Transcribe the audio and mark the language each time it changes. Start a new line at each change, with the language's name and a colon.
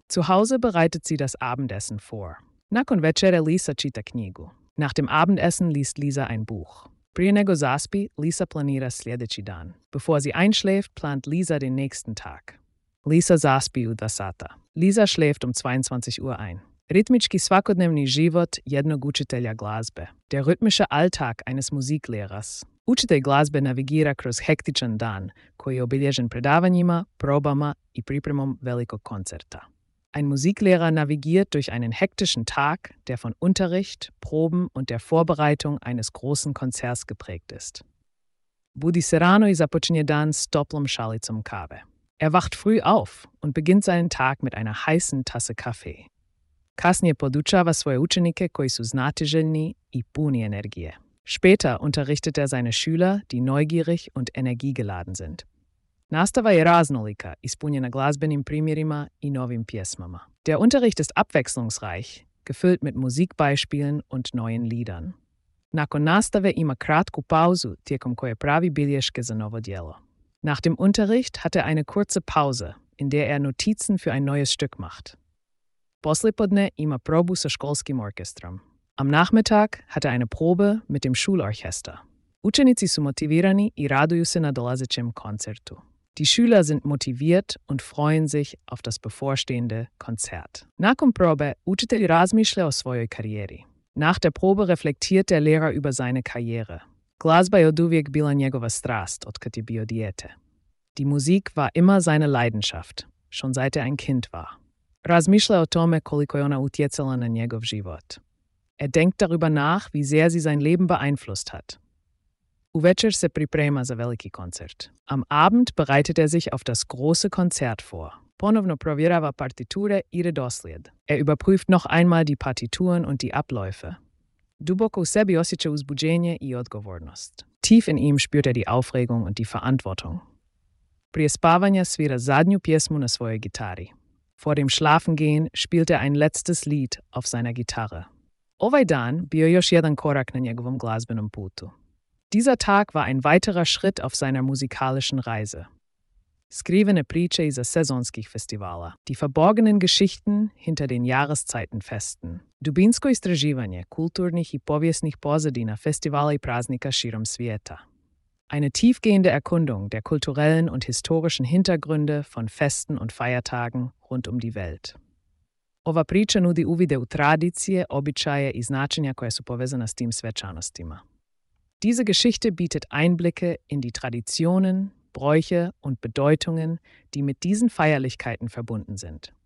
German: Zu Hause bereitet sie das Abendessen vor.
Croatian: Nakon večere Lisa čita knjigu.
German: Nach dem Abendessen liest Lisa ein Buch.
Croatian: Prije nego zaspi, Lisa planira sljedeći dan.
German: Bevor sie einschläft, plant Lisa den nächsten Tag.
Croatian: Lisa zaspi u 2 sata.
German: Lisa schläft um 22 Uhr ein.
Croatian: Ritmički svakodnevni život jednog učitelja glazbe.
German: Der rhythmische Alltag eines Musiklehrers.
Croatian: Učitelj glazbe navigira kroz hektičan dan, koji je obilježen predavanjima, probama i pripremom velikog koncerta.
German: Ein Musiklehrer navigiert durch einen hektischen Tag, der von Unterricht, Proben und der Vorbereitung eines großen Konzerts geprägt ist.
Croatian: Budi se rano i započinje dan s toplom šalicom kave.
German: Er wacht früh auf und beginnt seinen Tag mit einer heißen Tasse Kaffee.
Croatian: Kasnije podučava svoje učenike koji su znatiželjni i puni energije.
German: Später unterrichtet er seine Schüler, die neugierig und energiegeladen sind.
Croatian: Nastava je raznolika, ispunjena glazbenim primjerima i novim pjesmama.
German: Der Unterricht ist abwechslungsreich, gefüllt mit Musikbeispielen und neuen Liedern.
Croatian: Nakon nastave ima kratku pauzu, tijekom koje pravi bilješke za novo djelo.
German: Nach dem Unterricht hat er eine kurze Pause, in der er Notizen für ein neues Stück macht.
Croatian: Poslipodne ima probu sa školskim orkestrom.
German: Am Nachmittag hat er eine Probe mit dem Schulorchester.
Croatian: Učenici su motivirani i raduju se na dolazećem koncertu.
German: Die Schüler sind motiviert und freuen sich auf das bevorstehende Konzert.
Croatian: Nakon probe, učitelj razmišlja o svojoj karijeri.
German: Nach der Probe reflektiert der Lehrer über seine Karriere.
Croatian: Glazba je oduvijek bila njegova strast, otkad je bio dijete.
German: Die Musik war immer seine Leidenschaft, schon seit ein Kind war.
Croatian: Razmišlja o tome koliko je ona utjecala na njegov život.
German: Denkt darüber nach, wie sehr sie sein Leben beeinflusst hat.
Croatian: U večer se priprema za veliki koncert.
German: Am Abend bereitet sich auf das große Konzert vor.
Croatian: Ponovno provjerava partiture i redoslijed.
German: Überprüft noch einmal die Partituren und die Abläufe.
Croatian: Duboko u sebi osjeća uzbuđenje i odgovornost.
German: Tief in ihm spürt die Aufregung und die Verantwortung.
Croatian: Prije spavanja svira zadnju pjesmu na svojoj gitari.
German: Vor dem Schlafengehen spielt ein letztes Lied auf seiner Gitarre.
Croatian: Ovaj dan bio još jedan korak na njegovom glazbenom putu.
German: Dieser Tag war ein weiterer Schritt auf seiner musikalischen Reise.
Croatian: Skrivene priče iza sezonskih festivala.
German: Die verborgenen Geschichten hinter den Jahreszeitenfesten.
Croatian: Dubinsko istraživanje kulturnih i povijesnih pozadina festivala i praznika širom svijeta.
German: Eine tiefgehende Erkundung der kulturellen und historischen Hintergründe von Festen und Feiertagen rund um die Welt.
Croatian: Ova priča nudi uvide u tradicije, običaje i značenja koja su povezana s tim svečanostima.
German: Diese Geschichte bietet Einblicke in die Traditionen, Bräuche und Bedeutungen, die mit diesen Feierlichkeiten verbunden sind.